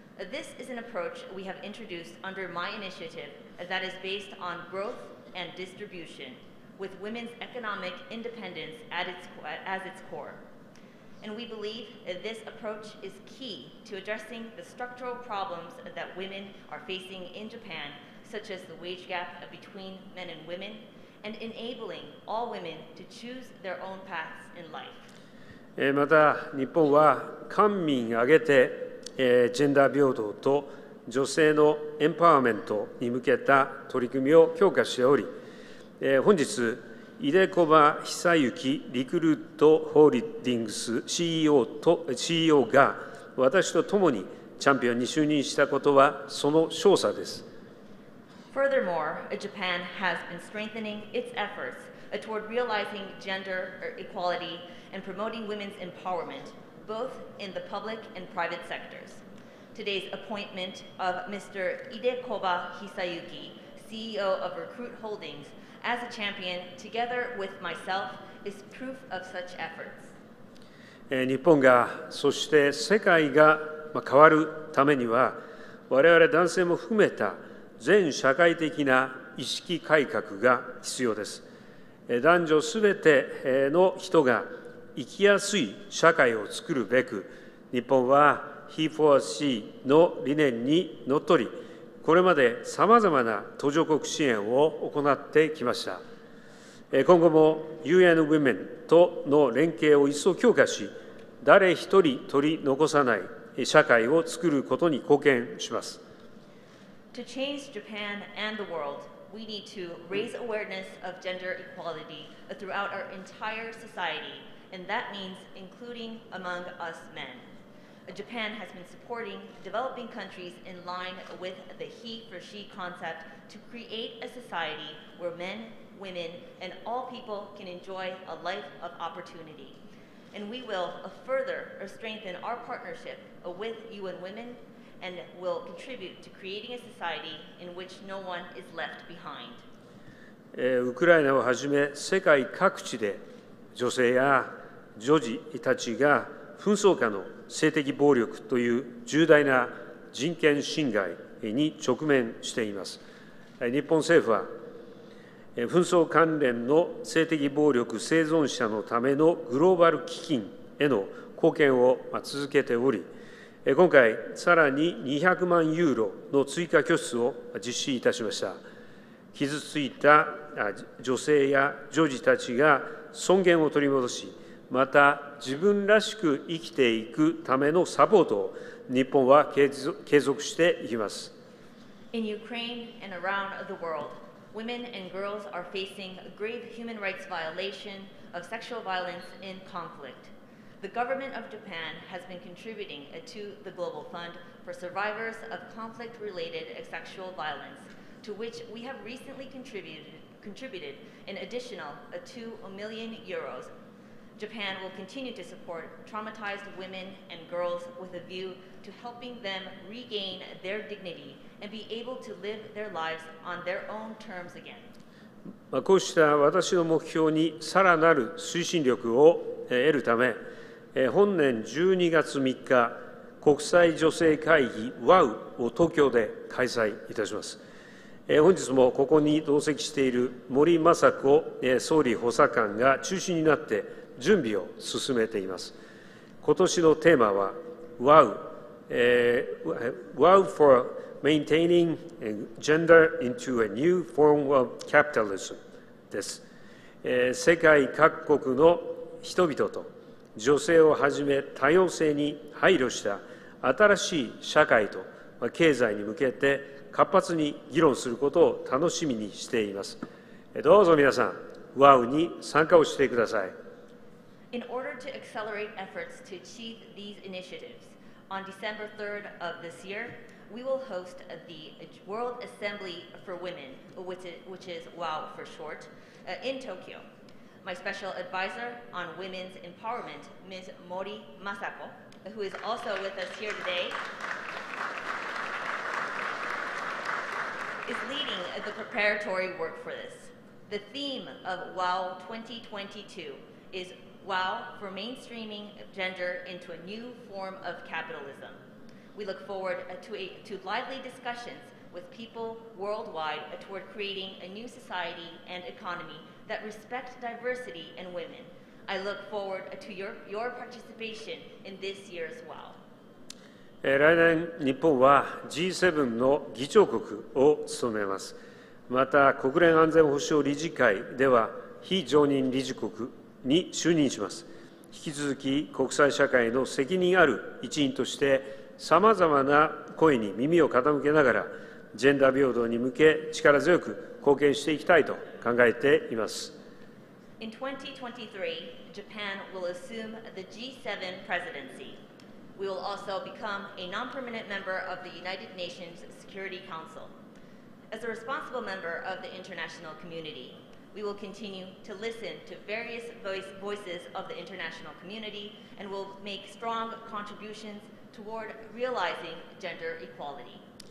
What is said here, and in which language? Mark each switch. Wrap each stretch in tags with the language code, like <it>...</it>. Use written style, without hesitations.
<en>This is an approach we have introduced under my initiative that is based on growth and distribution, with women's economic independence as its core. And we believe this approach is key to addressing the structural problems that women are facing in Japan, such as the wage gap between men and women,and enabling all women to choose their own paths in life.</en> <ja>また日本は官民挙げてジェンダー平等と女性のエンパワーメントに向けた取り組みを強化しており、本日井出小場久幸リクルートホールディングス CEO が私と共にチャンピオンに就任したことはその証左です。</ja> <en>Furthermore, Japan has been strengthening its efforts toward realizing gender equality and promoting women's empowerment, both in the public and private sectors. Today's appointment of Mr. Idekoba Hisayuki, CEO of Recruit Holdings, as a champion, together with myself, is proof of such efforts.</en> <ja>日本が、そして世界が変わるためには、我々男性も含めた全社会的な意識改革が必要です。男女すべての人が生きやすい社会を作るべく、日本は HeForShe の理念にのっとり、これまでさまざまな途上国支援を行ってきました。今後も UN Women との連携を一層強化し、誰一人取り残さない社会を作ることに貢献します。</ja> <en>To change Japan and the world, we need to raise awareness of gender equality throughout our entire society, and that means including among us men. Japan has been supporting developing countries in line with the HeForShe concept to create a society where men, women, and all people can enjoy a life of opportunity. And we will further strengthen our partnership with UN Women and will contribute to creating a society in which no one is left behind.</en> <ja>ウクライナをはじめ世界各地で女性や女児たちが紛争下の性的暴力という重大な人権侵害に直面しています。日本政府は紛争関連の性的暴力生存者のためのグローバル基金への貢献を続けており、今回さらに200万ユーロの追加拠出を実施いたしました。傷ついた女性や女児たちが尊厳を取り戻し、また自分らしく生きていくためのサポートを日本は継続していきます。</ja> <en>In Ukraine and around the world, women and girls are facing a grave human rights violation of sexual violence in conflict. The government of Japan has been contributing to the Global Fund for survivors of conflict-related sexual violence, to which we have recently contributed an additional 2 million euros. Japan will continue to support traumatized women and girls with a view to helping them regain their dignity and be able to live their lives on their own terms again.</en> <ja>こうした私の目標にさらなる推進力を得るため、本年12月3日、国際女性会議 WOW を東京で開催いたします。本日もここに同席している森雅子総理補佐官が中心になって準備を進めています。今年のテーマは WOW for maintaining gender into a new form of capitalism です。世界各国の人々と女性をはじめ多様性に配慮した新しい社会と経済に向けて活発に議論することを楽しみにしています。どうぞ皆さん、WOW に参加をしてください。</ja> <en>In order to accelerate efforts to achieve these initiatives, on December 3rd of this year, we will host the World Assembly for Women, which is WOW for short, in Tokyo. My special advisor on women's empowerment, Ms. Mori Masako, who is also with us here today, is leading the preparatory work for this. The theme of WOW 2022 is WOW for mainstreaming gender into a new form of capitalism. We look forward to lively discussions with people worldwide toward creating a new society and economy that respect diversity and women. I look forward to your participation in this year's WOW.</en> <ja>来年日本は G7 の議長国を務めます。また国連安全保障理事会では非常任理事国に就任します。引き続き国際社会の責任ある一員として、さまざまな声に耳を傾けながらジェンダー平等に向け力強く貢献していきたいと考えています。</ja> <en>In 2023, Japan will assume the G7 presidencyWe will also become a non-permanent member of the United Nations Security Council. As a responsible member of the international community, we will continue to listen to various voices of the international community and will make strong contributions toward realizing gender equality.</en>